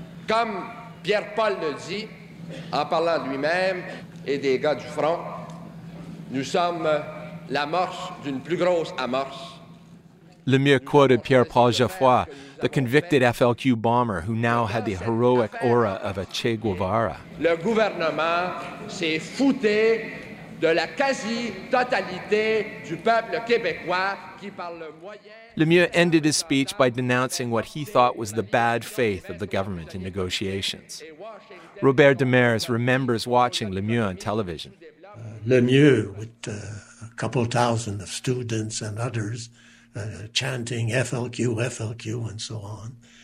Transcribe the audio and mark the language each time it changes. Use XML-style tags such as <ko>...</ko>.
<fr>Comme Pierre Paul le dit, en parlant lui-même et des gars du front, nous sommes l'amorce d'une plus grosse amorce.</fr> <en>Lemieux quoted Pierre-Paul Jaffray, the convicted FLQ bomber who now had the heroic aura of a Che Guevara.</en> <fr>Le gouvernement s'est fouté de la quasi-totalité du peuple québécois qui par le moyen...</fr> <en>Lemieux ended his speech by denouncing what he thought was the bad faith of the government in negotiations. Robert Demers remembers watching Lemieux on television. Lemieux, with a couple thousand of students and others, chanting FLQ, FLQ, and so on.</en>